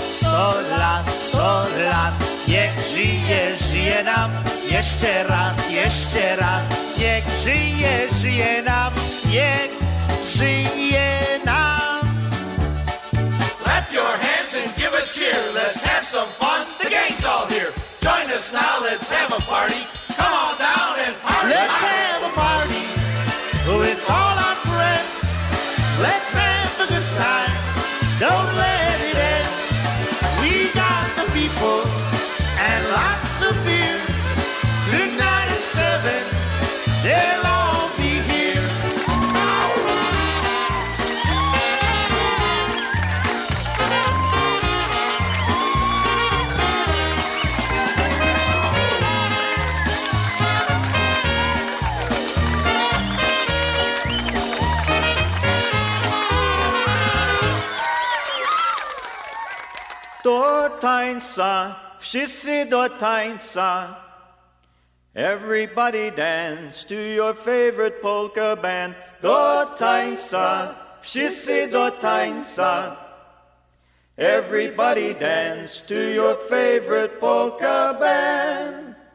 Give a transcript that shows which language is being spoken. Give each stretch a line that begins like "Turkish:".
Polish: Sto lat, niech żyje, żyje nam. Jeszcze raz, niech żyje, żyje nam, niech żyje nam.
English: Clap your hands and give a cheer, let's have some fun, the gang's all here. Join us now, let's have a party, come on down and party. Let's have a party with all our friends, let's have a good time, don't let it end. We got the people and lots of beer.
Polish: Tańca, wszyscy do tańca.
English: Everybody dance to your favorite polka band.
Polish: Do tańca, wszyscy do tańca.
English: Everybody dance to your favorite polka band.